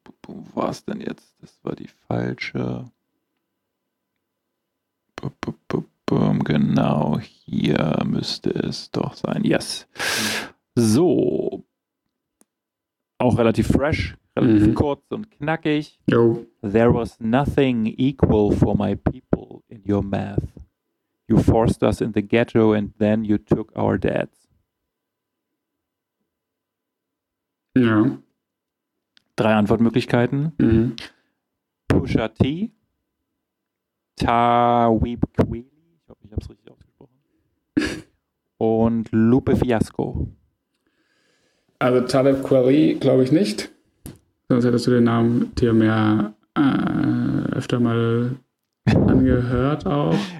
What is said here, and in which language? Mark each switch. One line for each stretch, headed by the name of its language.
German: Wo war es denn jetzt? Das war die falsche... Genau, hier müsste es doch sein. Yes. So. Auch relativ fresh. Relativ kurz und knackig. Yo.
English: There was nothing equal for my people in your math. You forced us in the ghetto and then you took our dads.
German: Ja. Drei Antwortmöglichkeiten. Mhm. Pusha T. Taweeb Kweli. Ich hoffe, ich habe es richtig ausgesprochen. Und Lupe Fiasco. Also Taleb Kweli glaube ich nicht. Sonst hättest du den Namen dir mehr öfter mal angehört auch.